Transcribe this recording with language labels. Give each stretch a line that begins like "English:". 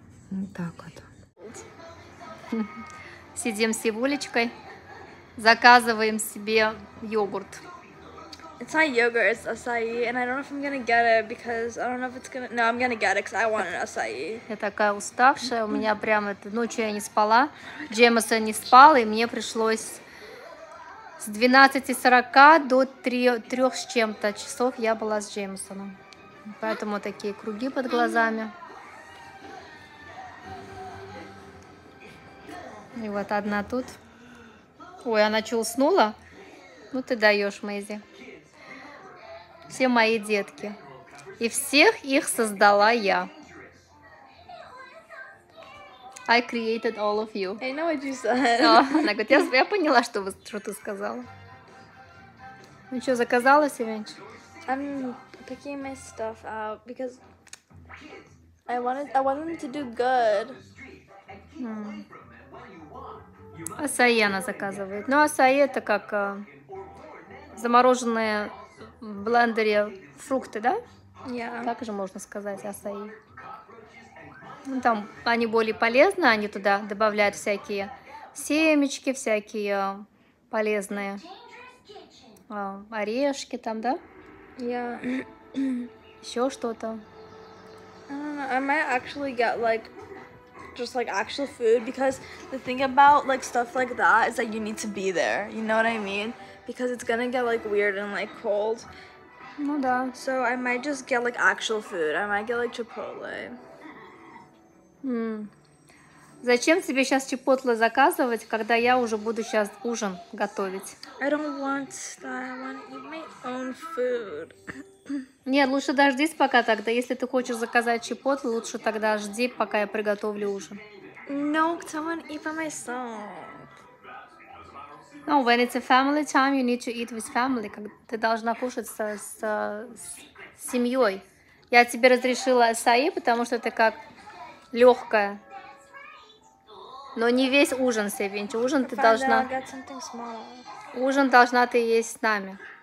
Russian: Вот так вот. Сидим с Иволечкой. Заказываем себе йогурт.
English: It's not yogurt, it's acai, and I don't know if I'm gonna get it because I don't know if it's gonna. No, I'm gonna get it because I want an acai.
Russian: Я такая уставшая, у меня прямо это ночью я не спала, Джемисон не спал, и мне пришлось с 12:40 до 3 с чем-то часов я была с Джемисоном, поэтому такие круги под глазами. И вот одна тут. Ой, она что, уснула? Ну ты даешь, Мэйзи. Все мои детки. И всех их создала я.
English: I created all of you. I know what you said.
Russian: Она говорит, я поняла, что, вы, что ты сказала. Ну что, заказала Севенч?
English: I'm picking my stuff out because I want them to do good.
Russian: Асаи она заказывает. Ну, асаи это как замороженные в блендере фрукты, да?
English: Yeah.
Russian: Так же можно сказать, асаи. Ну, там они более полезны, они туда добавляют всякие семечки, всякие полезные орешки там, да?
English: Yeah.
Russian: Еще что-то.
English: I might actually get like just like actual food because the thing about like stuff like that is that you need to be there, you know what I mean, because it's gonna get like weird and like cold.
Russian: Ну да.
English: So I might just get like actual food. I might get like chipotle.
Russian: Зачем тебе сейчас чипотле заказывать, когда я уже буду сейчас ужин готовить?
English: I don't want that. I want to eat my own food.
Russian: Нет, лучше дождись пока тогда. Если ты хочешь заказать чипотле, лучше тогда жди, пока я приготовлю ужин.
English: No, because I want to eat by myself. No, when it's a family time, you need to eat with family.
Russian: Ты должна кушать с семьей. Я тебе разрешила саи, потому что ты как легкая. Но не весь ужин, Севенчи. Ужин ты должна... Ужин должна ты есть с нами.